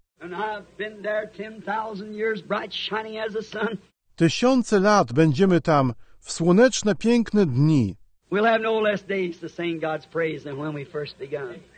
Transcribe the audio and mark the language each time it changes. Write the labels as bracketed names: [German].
[English] And I've been there 10,000 years bright shining as the sun. [Polish] Tysiące lat będziemy tam w słoneczne piękne dni. [English] We'll have no less days to sing God's praise than when we first began.